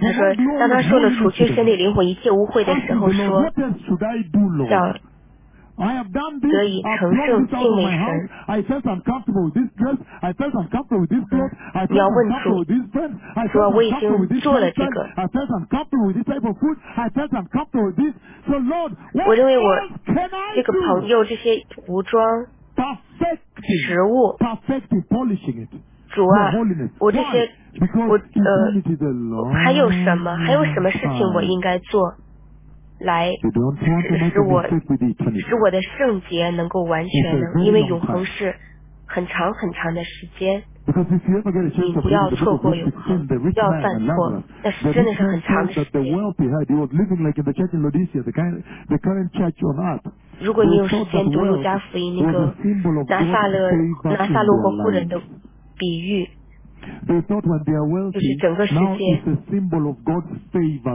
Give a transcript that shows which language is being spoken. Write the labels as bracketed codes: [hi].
[zh] 他说，当他说了除去身体灵魂一切污秽的时候，说，叫。 [en] I have done this. I've thrown this out of my house. I felt uncomfortable with this dress. I felt uncomfortable with this clothes. I felt uncomfortable with this friend. I felt uncomfortable with this person. I felt uncomfortable with this type of food. I felt uncomfortable with this. So Lord, what else can I do? [zh] 朋友这些服装、食物、 [en] perfecting polishing it. [zh] 主啊，我这些我还有什么？还有什么事情我应该做？来使我的圣洁能够完全的，因为永恒是很长很长的时间，你不要错过永恒，不要犯错，那是真的是很长的时间。如果你有时间读路加福音，如果你有时间读路加福音那个拿撒勒和妇人的比喻， [en] They thought when they are wealthy, now it's a symbol of God's favor.